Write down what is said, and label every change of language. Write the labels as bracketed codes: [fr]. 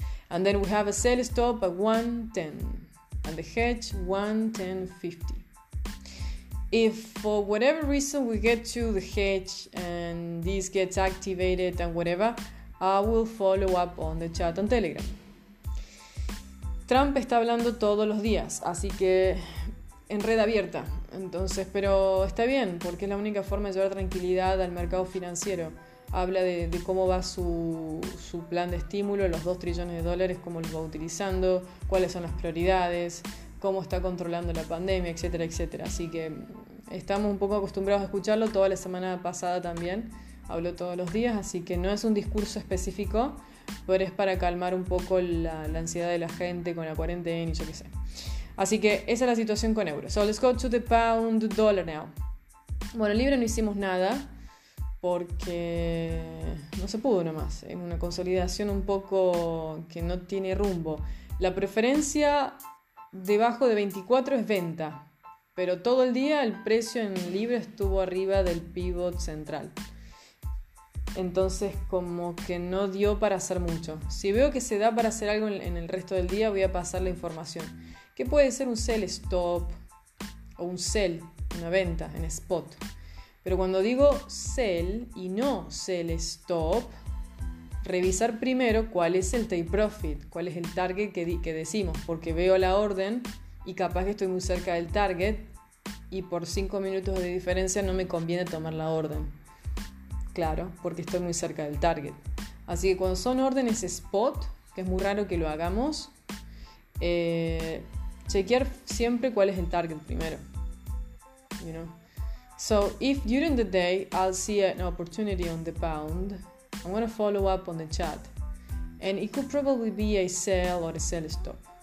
[en] And then we have a sell stop at 1.1010. And the hedge 1.1050. If for whatever reason we get to the hedge and this gets activated and whatever, I will follow up on the chat on Telegram. [es] Trump está hablando todos los días, así que en red abierta. Entonces, pero está bien, porque es la única forma de llevar tranquilidad al mercado financiero. Habla de cómo va su plan de estímulo, los 2 trillones de dólares, cómo los va utilizando, cuáles son las prioridades, cómo está controlando la pandemia, etcétera, etcétera. Así que estamos un poco acostumbrados a escucharlo. Toda la semana pasada también habló todos los días, así que no es un discurso específico, pero es para calmar un poco la ansiedad de la gente con la cuarentena y yo qué sé. Así que esa es la situación con euro. [en] So let's go to the pound dollar now. [es] Bueno, libra no hicimos nada porque no se pudo nomás. Es una consolidación un poco que no tiene rumbo. La preferencia debajo de 24 es venta, pero todo el día el precio en libra estuvo arriba del pivot central. Entonces como que no dio para hacer mucho. Si veo que se da para hacer algo en el resto del día, voy a pasar la información. ¿Qué puede ser un sell stop o un sell, una venta en spot? Pero cuando digo sell y no sell stop, revisar primero cuál es el take profit, cuál es el target que decimos, porque veo la orden y capaz que estoy muy cerca del target y por 5 minutos de diferencia no me conviene tomar la orden. Claro, porque estoy muy cerca del target. Así que cuando son órdenes spot, que es muy raro que lo hagamos, chequear siempre cuál es el target primero. [en] You know? So, if during the day I'll see an opportunity on the pound, I'm going to follow up on the chat. And it could probably be a sell or a sell stop.